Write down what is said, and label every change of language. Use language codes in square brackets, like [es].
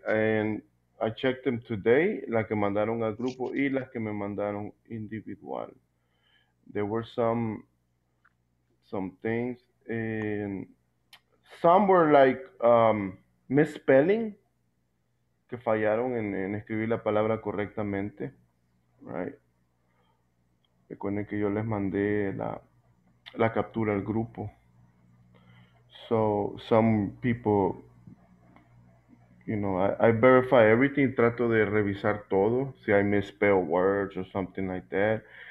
[en] And I checked them today, [es] las que mandaron al grupo y las que me mandaron individual. [en] There were some things, and some were like misspelling, [es] que fallaron en escribir la palabra correctamente, [en] right? [es] Recuerden que yo les mandé la captura al grupo. [en] So some people, you know, I verify everything, [es] trato de revisar todo, si [en] I misspell words or something like that.